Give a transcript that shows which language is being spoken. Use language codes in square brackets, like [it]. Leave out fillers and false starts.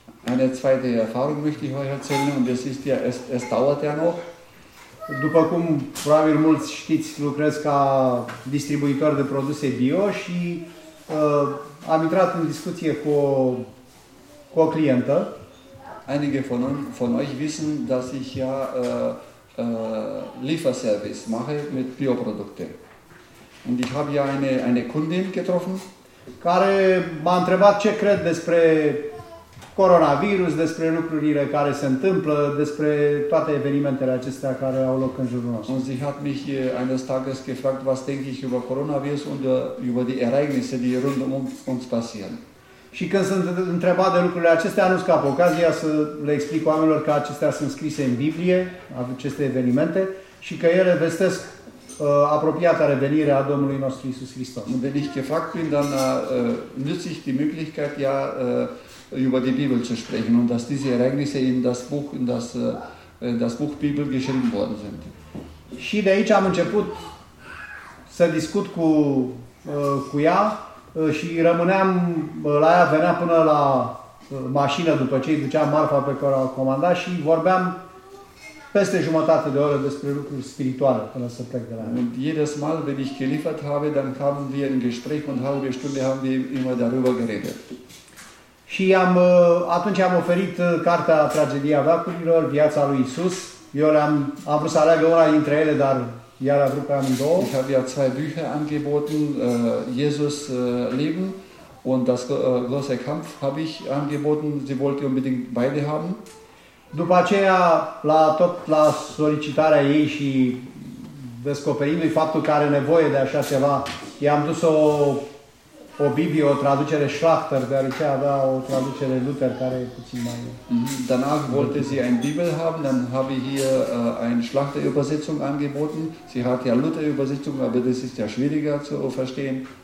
[de] Eine zweite Erfahrung möchte ich euch erzählen und das ist ja es dauert ja noch. [ro] După cum probabil mulți știți, lucrez ca distribuitor de produse bio și am intrat în discuție cu o clientă. [de] Einige von euch wissen, dass ich ja Lieferservice mache mit Bioprodukte. Und ich habe ja eine Kundin getroffen, [ro] care m-a întrebat ce cred despre coronavirus, despre lucrurile care se întâmplă, despre toate evenimentele acestea care au loc în jurul nostru. [de] Und sie hat mich eines Tages gefragt, was denke ich über Coronavirus und über die Ereignisse, die rund um uns passieren. [ro] Și când sunt întrebat de lucrurile acestea, nu scap ocazia să le explic oamenilor că acestea sunt scrise în Biblie, aceste evenimente, și că ele vestesc apropiata revenire a Domnului nostru Iisus Hristos. [de] Und wenn ich gefragt bin, dann nütze ich die Möglichkeit, ja, über die Bibel zu sprechen und dass diese Ereignisse in das Buch Bibel geschrieben worden sind. [ro] Și de aici am început să discut cu ea și rămâneam la ea, venea până la mașină după ce îi duceam marfa pe care o comanda și vorbeam peste jumătate de oră despre lucruri spirituale până să plec de la ea. [de] Und jedes Mal, wenn ich geliefert habe, dann kamen wir in Gespräch und halbe Stunde haben wir immer darüber geredet. [ro] Și atunci am oferit cartea Tragedia Veacurilor, Viața lui Iisus. Eu am vrut să aleg una dintre ele, dar iar a vrut pe amândouă. [de] Ich habe ja zwei Bücher angeboten, Jesus Leben und das große Kampf habe ich angeboten. Sie wollte unbedingt beide haben. [ro] După aceea, la solicitarea ei și descoperindu-i faptul că are nevoie de așa ceva, i-am dus o Biblie, o traducere Schlachter, deoarece avea o traducere Luther, care e puțin mai... [de] Danach wollte sie ein Bibel haben, dann habe ich hier eine Schlachter-Übersetzung angeboten. Sie hat ja Luther-Übersetzung, aber das ist ja schwieriger zu verstehen.